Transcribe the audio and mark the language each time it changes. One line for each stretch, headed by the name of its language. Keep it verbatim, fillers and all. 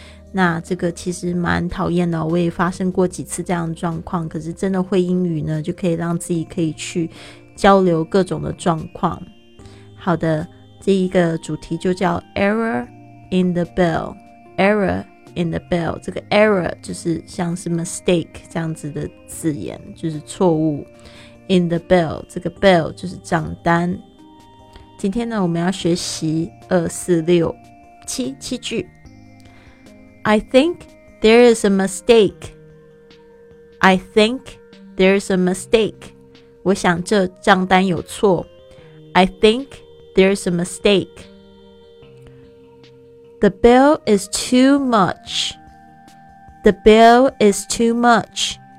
Chinese: 那这个其实蛮讨厌的，我也发生过几次这样的状况，可是真的会英语呢就可以让自己可以去交流各种的状况。好的，这一个主题就叫
English: Error in the Bell。 Error in the Bell，
Chinese: 这个 Error 就是像是 mistake 这样子的字眼，就是错误。
English: In the bell，
Chinese: 这个 bell 就是账单。今天呢，我们要学习二四六七七句。
English: I think there is a mistake. I think there is a mistake.
Chinese: 我想这账单有错。
English: I think there is a mistake. The bill is too much. The bill is too much.